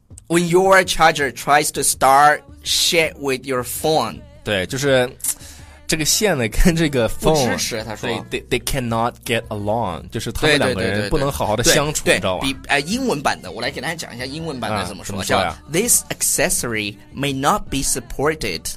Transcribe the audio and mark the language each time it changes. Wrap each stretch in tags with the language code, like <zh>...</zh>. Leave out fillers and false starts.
<en>When your charger tries to start shit with your phone，</en> <zh>对，就是这个线呢跟这个 phone 不支持，他说</zh> <en>they cannot get along，</en> <zh>就是他们两个人不能好好的相处，对你知道吧？英文版的我来给大家讲一下英文版的怎么说,、啊、怎么说叫</zh> <en>this accessory may not be supported，</en>